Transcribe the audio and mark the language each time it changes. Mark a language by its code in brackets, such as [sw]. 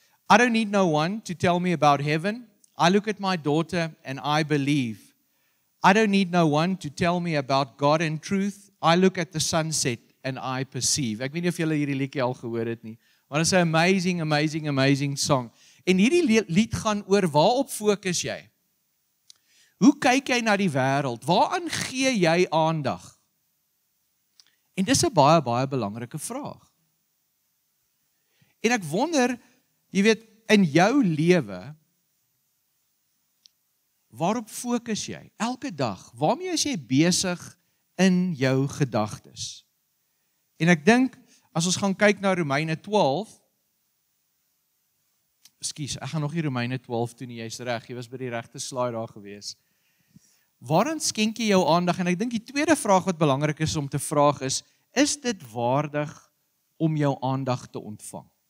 [en] I don't need no one to tell me about heaven. I look at my daughter and I believe. I don't need no one to tell me about God and truth. I look at the sunset and I perceive. [af] Ek weet nie of julle hierdie liedjie al gehoor het nie, maar dit is 'n amazing, amazing, amazing song. En hierdie lied gaan oor, waarop fokus jy? Hoe kyk jy na die wêreld? Waaraan gee jy aandag? En dis 'n baie, baie belangrike vraag. En ek wonder, jy weet, in jou lewe, waarop fokus jy? Elke dag, waarmee is jy besig in jou gedagtes? En ek dink, as ons gaan kyk na Romeine 12, ek gaan nog die Romeine 12 toe nie, jy is reg, jy was by die regte slide daar gewees. Waaraan skenk jy jou aandag? En ek dink die tweede vraag wat belangrik is om te vraag is, is dit waardig om jou aandag te ontvang?